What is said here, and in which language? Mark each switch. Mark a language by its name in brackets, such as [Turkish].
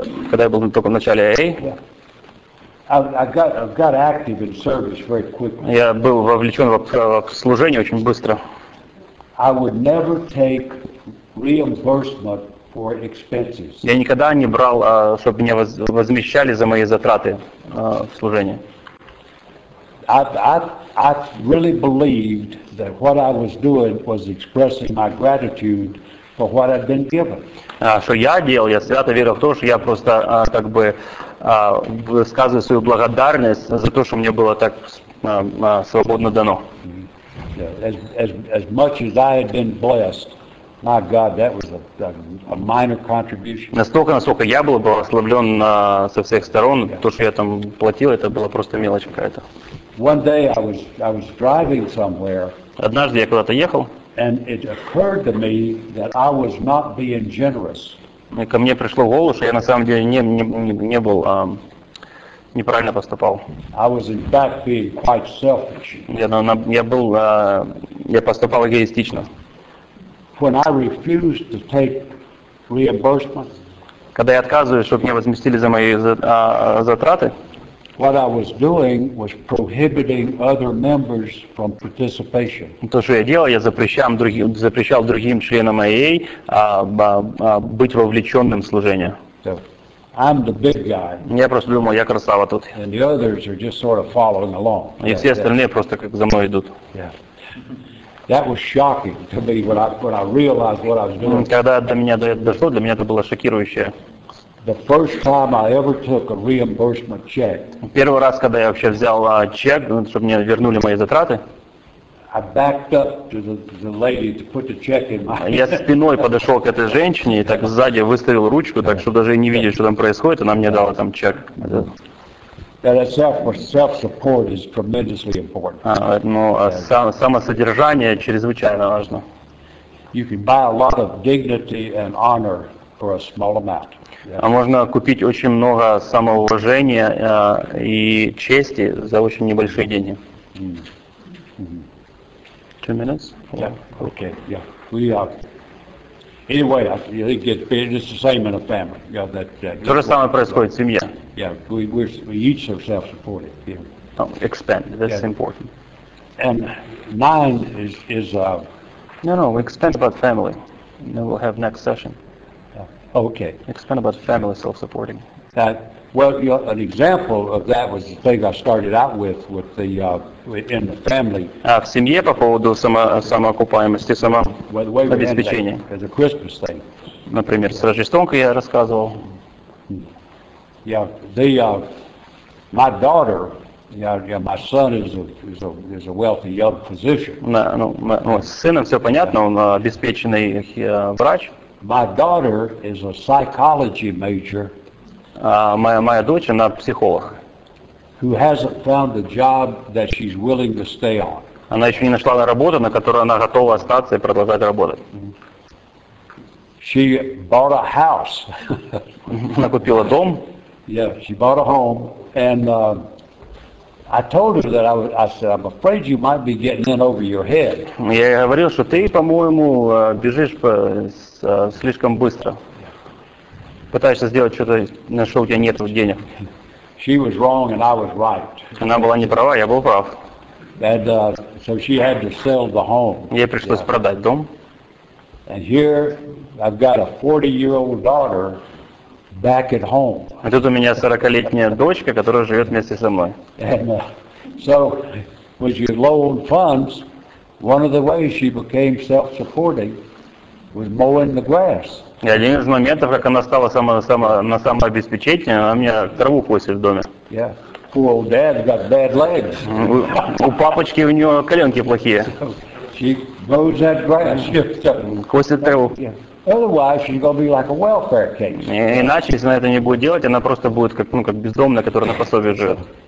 [Russian] Когда я был только в начале AA. [English] I got active in service very quickly. [Russian] Я был вовлечен в служение очень быстро. [English] I would never take reimbursement for expenses. [Russian] Я никогда не брал, чтобы меня возмещали за мои затраты в служение. [English] I really believed that what I was doing was expressing my gratitude for what I'd been given. [Russian] Что я делал, я свято верил в то, что я просто как бы высказываю свою благодарность за то, что мне было так свободно дано. [English] As much as I had been blessed, my God, that was a minor contribution. [Russian] Настолько, насколько я был благословлен со всех сторон, то, что я там платил, это была просто мелочь какая-то. [English] One day I was driving somewhere. [Russian] Однажды я куда-то ехал. [English] And it occurred to me that I was not being generous. [Russian] И ко мне пришло в голову, что я на самом деле не был неправильно поступал. [English] I was in fact being quite selfish. [Russian] Я поступал эгоистично. [English] When I refused to take reimbursement, [Russian] когда я отказываюсь, чтобы мне возместили за мои затраты, [English] what I was doing was prohibiting other members from participation. [Russian] То, что я делал, я запрещал другим членам АА быть вовлеченным в служение. [English] So, I'm the big guy. [Russian] Я просто думал, я красава тут. [English] And the others are just sort of following along. [Russian] И все остальные просто как за мной идут. [English] Yeah. That was shocking to me when I realized what I was doing. [Russian] Когда до меня дошло, для меня это было шокирующее. [English] The first time I ever took a reimbursement check. [Russian] Первый раз, когда я вообще взял чек, чтобы мне вернули мои затраты. [English] I backed up to the lady to put the check in my. [Russian] Я спиной подошел к этой женщине и так сзади выставил ручку, так что даже не видел, что там происходит, она мне дала там чек. [English] Self-support is tremendously important. [Russian] Самосодержание чрезвычайно важно. [English] You can buy a lot of dignity and honor for a small amount. [Russian] А можно купить очень много самоуважения и чести за очень небольшие деньги. [English] Two minutes? Yeah. Okay. Yeah. We are. Anyway, I think it's the same in a family. Yeah. [Russian] То же самое происходит в семье. [English] Yeah. We each are self-supported. Yeah. Oh, expand. That's yeah. Important. And nine is No. We expand about family. And then we'll have next session. Okay. Explain about family self-supporting. An example of that was the thing I started out with in the family. [Russian] В семье по поводу самоокупаемости, самообеспечения. [English] As a Christmas thing. [Russian] Например, с Рождеством, как я рассказывал. [English] Yeah, my daughter. Yeah, my son is a wealthy young physician. [Russian] Сыном все понятно, он обеспеченный врач. [English] My daughter is a psychology major. [Russian] Моя дочь, она психолог. [English] Who hasn't found a job that she's willing to stay on. [Russian] Она еще не нашла работу, на которой она готова остаться и продолжать работать. Mm-hmm. [English] She bought a house. [Russian] Она купила дом. [English] Yeah, she bought a home. And I told her that I said, I'm afraid you might be getting in over your head. [Russian] Я говорил, что ты, по-моему, бежишь по... слишком быстро. Пытаешься сделать что-то, на что у тебя нет денег. [English] She was wrong and I was right. [Russian] Она была не права, я был прав. [English] And, so she had to sell the home. [Russian] Ей пришлось продать дом. [English] And here I've got a 40-year-old daughter back at home. [Russian] А тут у меня 40-летняя дочка, которая живет вместе со мной. [English] And, so with your low funds, one of the ways she became self-supporting was mowing the grass. [Russian] И один из моментов, как она стала на самообеспечение, она мне траву косит в доме. [English] Yeah. Poor old dad got bad legs. [Russian] У папочки у нее коленки плохие. [English] She mows that grass. [Russian] Косит траву. [English] Otherwise, she's gonna be like a welfare case. [Russian] Иначе, если она это не будет делать, она просто будет как бездомная, которая на пособие живет.